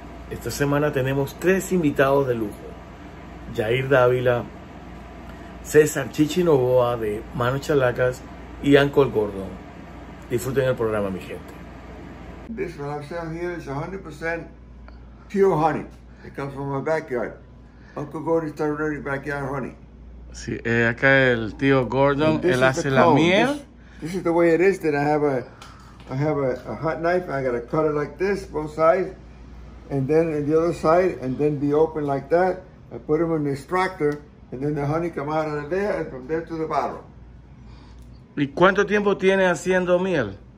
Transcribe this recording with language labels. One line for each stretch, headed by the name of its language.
Spanish: Esta semana tenemos tres invitados de lujo: Yair Dávila, César Chichi Novoa de Manos Chalacas y Ancol Gordon. Disfruten el programa, mi gente.
English: This is what I'm saying here is 100% pure honey. It comes from my backyard. Uncle Gordon started running backyard honey.
Spanish: Sí, acá el tío Gordon, él hace la miel.
English: This is the way it is. Then I have a hot knife. I gotta cut it like this, both sides, and then in the other side, and then be open like that. I put them in the extractor, and then the honey come out of there and from there to the bottle.
Spanish: ¿Y cuánto tiempo tiene haciendo miel?